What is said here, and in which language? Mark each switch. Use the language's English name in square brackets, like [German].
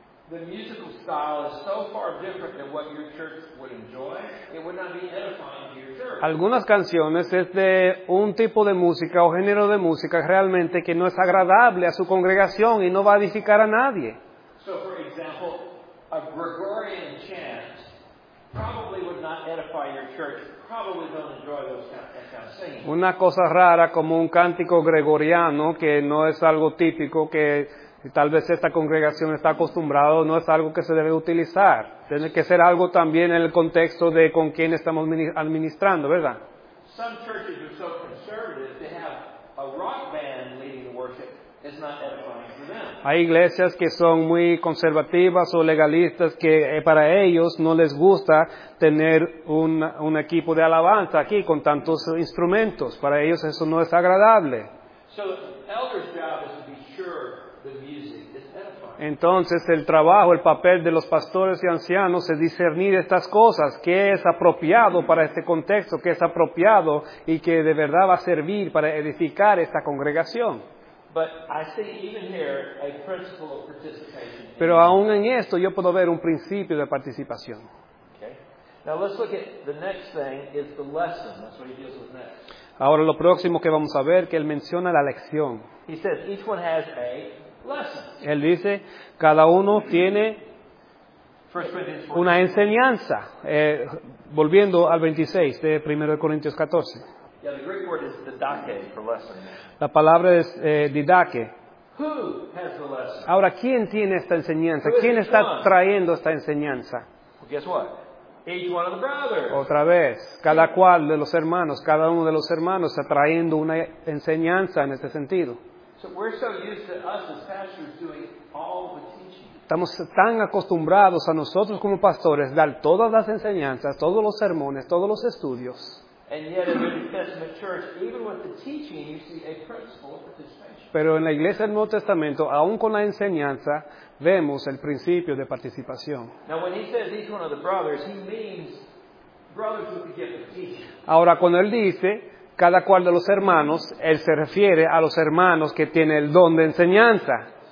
[English] The musical style is so far different than what your church would enjoy. It would not be edifying to your church. [Spanish] Algunas canciones es de un tipo de música o género de música realmente que no es agradable a su congregación y no va a edificar a nadie. [English] So, for example, a Gregorian chant probably would not edify your church. Probably don't enjoy those kind of singing. [Spanish] Una cosa rara como un cántico gregoriano que no es algo típico que Y tal vez esta congregación está acostumbrada, no es algo que se debe utilizar. Tiene que ser algo también en el contexto de con quién estamos administrando, ¿verdad? [English] Some churches are so conservative, they have a rock band leading the worship. It's not edifying for them. [Spanish] Hay iglesias que son muy conservativas o legalistas que para ellos no les gusta tener un equipo de alabanza aquí con tantos instrumentos. Para ellos eso no es agradable. [English] So, elder's job is to be sure the music is edifying. [Spanish] Entonces el trabajo, el papel de los pastores y ancianos es discernir estas cosas, qué es apropiado para este contexto, qué es apropiado y qué de verdad va a servir para edificar esta congregación. [English] But I see even here a principle of participation. [Spanish] Pero aún en esto yo puedo ver un principio de participación. [English] Now let's look at the next thing is the lesson. That's what he deals with next. [Spanish] Ahora lo próximo que vamos a ver que él menciona la lección. [English] He says each one has a lesson. [Spanish] Él dice cada uno tiene una enseñanza. Volviendo al 26 de 1 Corintios 14. [English] Yeah, the Greek word is didake for lesson. [Spanish] La palabra es didake. [English] Who has the lesson? [Spanish] Ahora, ¿quién tiene esta enseñanza? ¿Quién está trayendo esta enseñanza? [English] Well, guess what? Each one of the brothers. [Spanish] Otra vez, cada cual de los hermanos, cada uno de los hermanos está trayendo una enseñanza en este sentido. [English] So we're so used to us as pastors doing all the teaching. [Spanish] Estamos tan acostumbrados a nosotros como pastores dar todas las enseñanzas, todos los sermones, todos los estudios. [English] And yet in the New Testament church, even with the teaching, you see a principle of participation. [Spanish] Pero en la iglesia del Nuevo Testamento, aún con la enseñanza, vemos el principio de participación. [English] Now when he says each one of the brothers, he means brothers with the gift of teaching. [Spanish] Ahora cuando él dice cada cual de los hermanos, él se refiere a los hermanos que tienen el don de enseñanza.